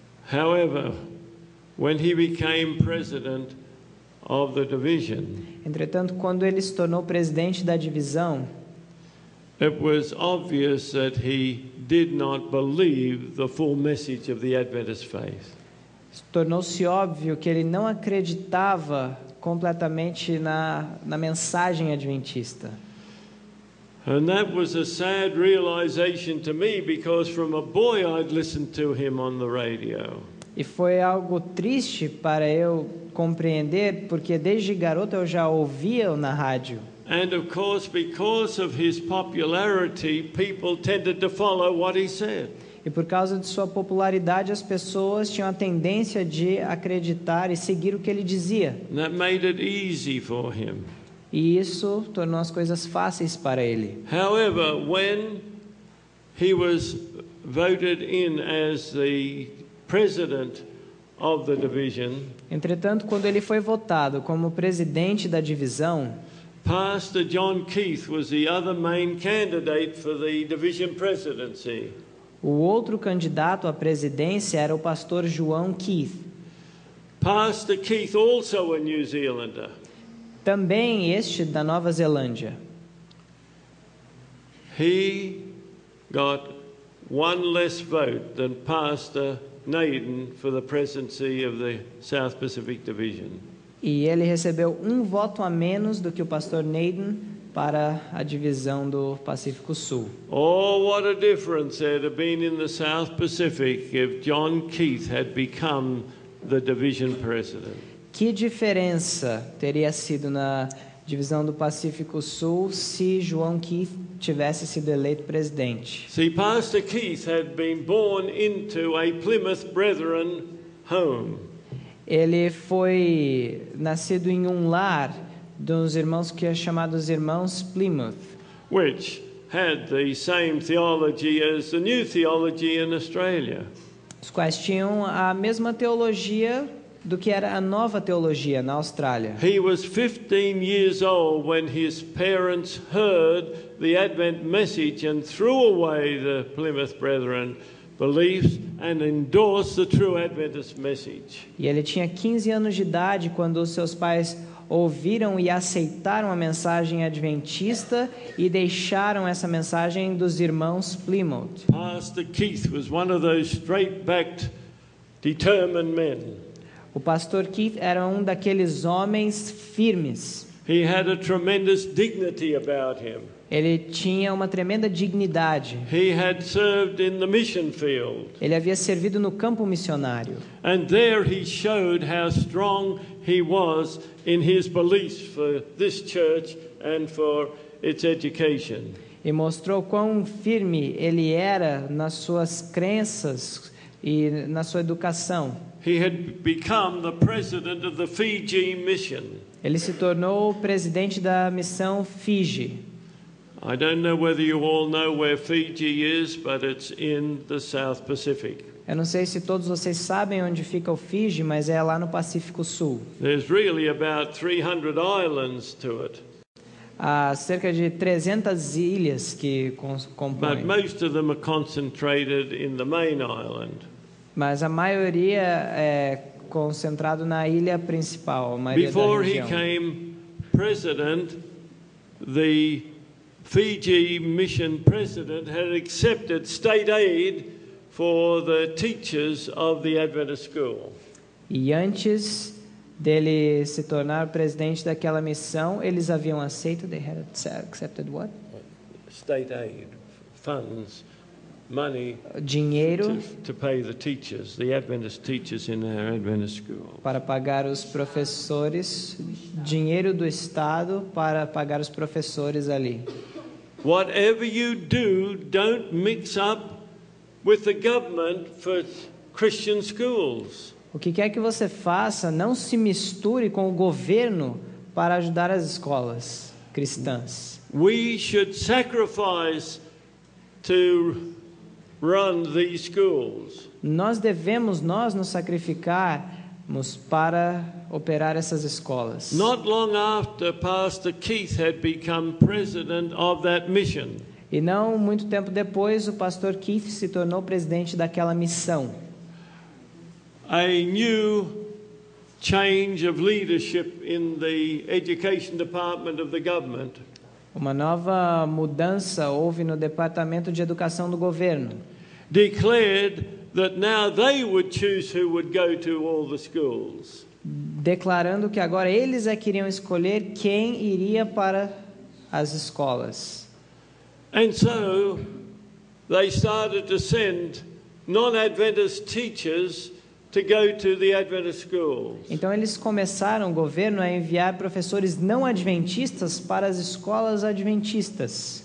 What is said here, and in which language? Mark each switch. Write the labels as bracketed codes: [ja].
[en] However, when he became president of the division, [pt] entretanto, quando ele se tornou presidente da divisão, [en] it was obvious that he did not believe the full message of the Adventist faith. [pt] Tornou-se óbvio que ele não acreditava completamente na mensagem adventista. [en] And that was a sad realization to me because from a boy I'd listened to him on the radio. [pt] E foi algo triste para eu compreender porque desde garoto eu já ouvia-o na rádio. [en] And of course because of his popularity people tended to follow what he said. [pt] E por causa de sua popularidade as pessoas tinham a tendência de acreditar e seguir o que ele dizia. [en] And that made it easy for him. [pt] E isso tornou as coisas fáceis para ele. [en] However, when he was voted in as the president of the division, [pt] entretanto, quando ele foi votado como presidente da divisão, [en] Pastor John Keith was the other main candidate for the division presidency. [pt] O outro candidato à presidência era o pastor João Keith. [en] Pastor Keith also a New Zealander. [pt] Também este da Nova Zelândia. [en] He got one less vote than Pastor Naden for the presidency of the South Pacific Division. [pt] E ele recebeu um voto a menos do que o pastor Naden para a divisão do Pacífico Sul. [en] Oh, what a difference there would have been in the South Pacific if John Keith had become the division president. [pt] Que diferença teria sido na divisão do Pacífico Sul se João Keith tivesse sido eleito presidente? [en] See, Pastor Keith had been born into a Plymouth Brethren home. [pt] Ele foi nascido em um lar dos irmãos que é chamado os irmãos Plymouth, [en] which had the same theology as the new theology in Australia. [pt] Os quais tinham a mesma teologia do que era a nova teologia na Austrália. [en] He was 15 years old when his parents heard the Advent message and threw away the Plymouth Brethren beliefs and endorsed the true Adventist message. [pt] E ele tinha 15 anos de idade quando os seus pais ouviram e aceitaram a mensagem adventista e deixaram essa mensagem dos irmãos Plymouth. [en] Pastor Keith was one of those straight-backed, determined men. [pt] O pastor Keith era um daqueles homens firmes. [en] He had a tremendous dignity about him. [pt] Ele tinha uma tremenda dignidade. [en] He had served in the mission field. [pt] Ele havia servido no campo missionário. [en] And there he showed how strong he was in his beliefs for this church and for its education. [pt] E mostrou quão firme ele era nas suas crenças e na sua educação. [en] He had become the president of the Fiji mission. [pt] Ele se tornou o presidente da missão Fiji. [en] I don't know whether you all know where Fiji is, but it's in the South Pacific. [pt] Eu não sei se todos vocês sabem onde fica o Fiji, mas é lá no Pacífico Sul. [en] There's really about 300 islands to it. [pt] Há cerca de 300 ilhas que compõem. [en] But most of them are concentrated in the main island. [pt] Mas a maioria é concentrado na ilha principal, a maioria [en] Before [pt] da região. [en] He came president, the Fiji mission president had accepted state aid for the teachers of the Adventist school. [pt] E antes dele se tornar presidente daquela missão, eles haviam aceito, [en] they had accepted what? State aid, funds, money, [pt] dinheiro [en] to pay the teachers, the Adventist teachers in their Adventist school. [pt] Para pagar os professores, dinheiro do estado para pagar os professores ali. [en] Whatever you do, don't mix up with the government for Christian schools. [pt] O que quer que você faça, não se misture com o governo para ajudar as escolas cristãs. [en] We should sacrifice to run these schools. [pt] Nós devemos nós nos sacrificarmos para operar essas escolas. [en] Not long after Pastor Keith had become president of that mission. [pt] E não muito tempo depois o pastor Keith se tornou presidente daquela missão. [en] A new change of leadership in the education department of the government. [pt] Uma nova mudança houve no departamento de educação do governo. [en] Declared that now they would choose who would go to all the schools. [pt] Declarando que agora eles é que iriam escolher quem iria para as escolas. [en] And so they started to send non-Adventist teachers to go to the Adventist schools. [pt] Então eles começaram, o governo, a enviar professores não adventistas para as escolas adventistas.